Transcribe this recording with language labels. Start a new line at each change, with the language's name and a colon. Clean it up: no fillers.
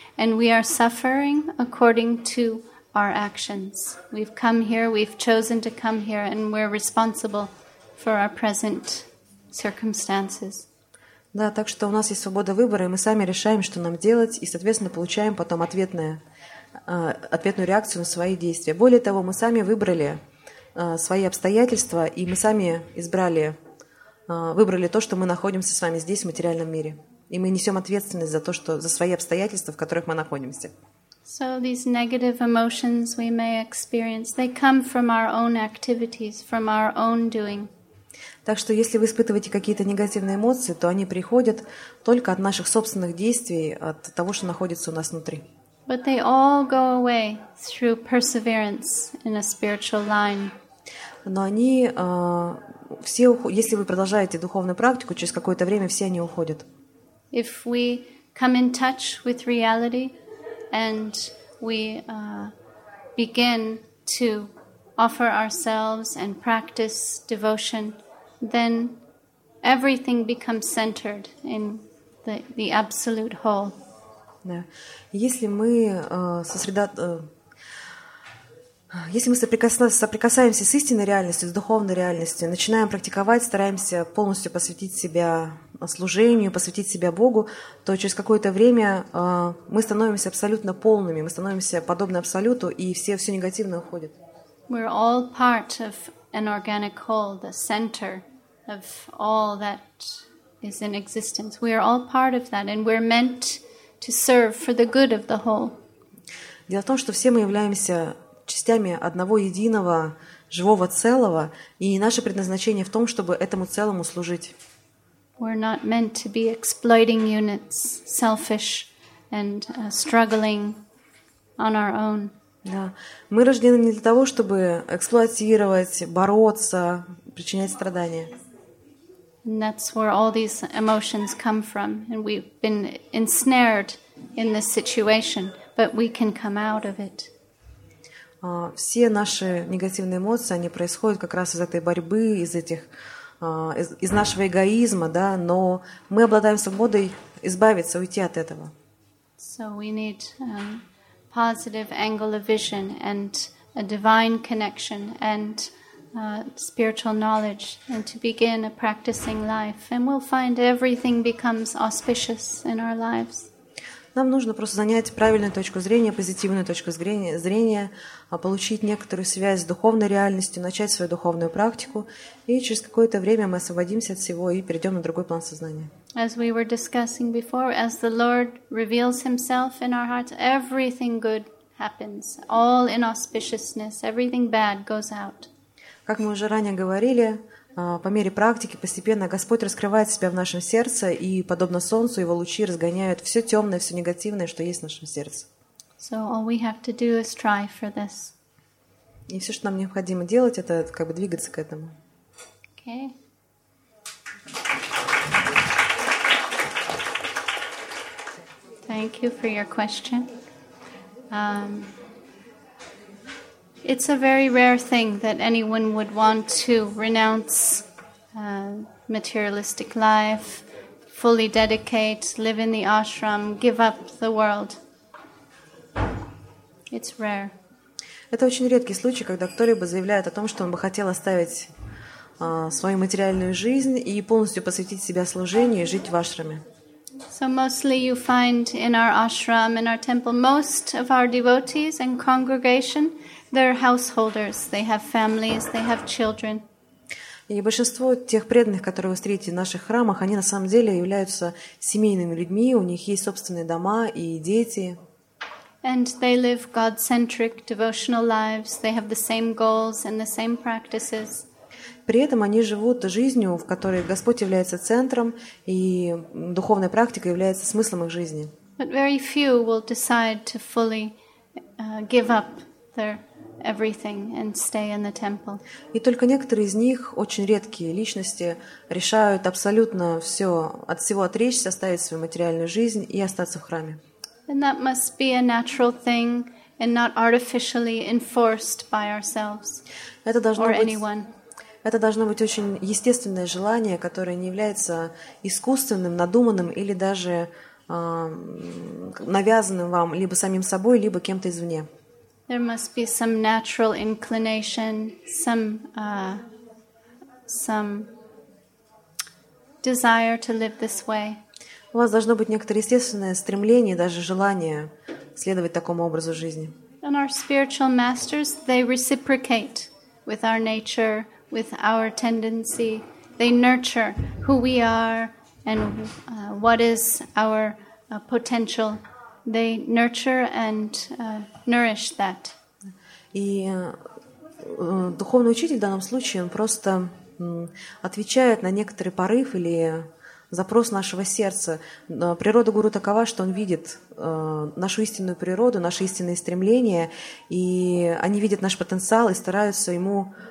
English: And we are suffering according to our actions. We've come here, we've chosen to come here, and we're responsible for our present circumstances.
Russian: Да, так что у нас есть свобода выбора, и мы сами решаем, что нам делать, и, соответственно, получаем потом ответную реакцию на свои действия. Более того, мы сами выбрали свои обстоятельства, и мы сами выбрали то, что мы находимся с вами здесь, в материальном мире. И мы несем ответственность за то, что за свои обстоятельства, в которых мы находимся.
English: So these negative emotions we may experience, they come from our own activities, from our own doing.
Russian: Так что если вы испытываете какие-то негативные эмоции, то они приходят только от наших собственных действий, от того, что находится у нас внутри.
English: But they all go away through perseverance in a spiritual line.
Russian: но они все, если вы продолжаете духовную практику, через какое-то время все они уходят.
English: If we come in touch with reality and we begin to offer ourselves and practice devotion, then everything becomes centered in the absolute whole.
Russian: Да. Если мы соприкасаемся с истинной реальностью, с духовной реальностью, начинаем практиковать, стараемся полностью посвятить себя служению, посвятить себя Богу, то через какое-то время мы становимся абсолютно полными, мы становимся подобны Абсолюту, и все негативное уходит.
English: We're all part of an organic whole, the center of all that is in existence. We are all part of that, and we're meant to serve for the good of the whole.
Russian: Дело в том, что все мы являемся частями одного единого живого целого, и наше предназначение в том, чтобы этому целому служить.
English: We're not meant to be exploiting units, selfish and struggling on our own.
Russian: Да. Мы рождены не для того, чтобы эксплуатировать, бороться, причинять страдания.
English: And that's where all these emotions come from, and we've been ensnared in this situation, but we can come out of it.
Russian: Все наши негативные эмоции, они происходят как раз из этой борьбы, из нашего эгоизма, да, но мы обладаем свободой избавиться, уйти от этого.
English: So we need positive angle of vision and a divine connection and spiritual knowledge and to begin a practicing life, and we'll find everything becomes auspicious in our lives.
Russian: Нам нужно просто занять правильную точку зрения, позитивную точку зрения, получить некоторую связь с духовной реальностью, начать свою духовную практику, и через какое-то время мы освободимся от всего и перейдем на другой план сознания.
English: As we were discussing before, as the Lord reveals himself in our hearts, everything good happens, all in auspiciousness, everything bad goes out.
Russian: Как мы уже ранее говорили, по мере практики постепенно Господь раскрывает себя в нашем сердце, и подобно солнцу его лучи разгоняют все темное, все негативное, что есть в нашем сердце.
English: So all we have to do is try for this.
Russian: И все, что нам необходимо делать, это как бы двигаться к этому.
English: Okay. Thank you for your question. It's a very rare thing that anyone would want to renounce materialistic life, fully dedicate, live in the ashram, give up the world. It's rare.
Russian: Это очень редкий случай, когда кто-либо заявляет о том, что он бы хотел оставить свою материальную жизнь и полностью посвятить себя служению и жить в ашраме.
English: So mostly you find in our ashram, in our temple, most of our devotees and congregation, they're householders, they have families, they have children.
Russian: И большинство тех преданных, которые вы встретите в наших храмах, они на самом деле являются семейными людьми, у них есть собственные дома и дети.
English: And they live God-centric devotional lives, they have the same goals and the same practices.
Russian: При этом они живут жизнью, в которой Господь является центром, и духовная практика является смыслом их жизни.
English: But very few will decide to fully give up their everything and stay in the temple.
Russian: И только некоторые из них, очень редкие личности, решают абсолютно все, от всего отречься, оставить свою материальную жизнь и остаться в храме.
English: And that must be a natural thing and not artificially enforced by ourselves or anyone.
Russian: Это должно быть очень естественное желание, которое не является искусственным, надуманным или даже навязанным вам либо самим собой, либо кем-то извне.
English: There must be some natural inclination, some desire to live this way.
Russian: У вас должно быть некоторое естественное стремление, даже желание следовать такому образу жизни.
English: And our spiritual masters, they reciprocate with our nature, with our tendency. They nurture who we are and what is our potential. They nurture and nourish that.
Russian: И духовный учитель в данном случае, он просто отвечает на некоторый порыв или запрос нашего сердца. Природа гуру такова, что он видит нашу истинную природу, наши истинные стремления, и они видят наш потенциал и стараются ему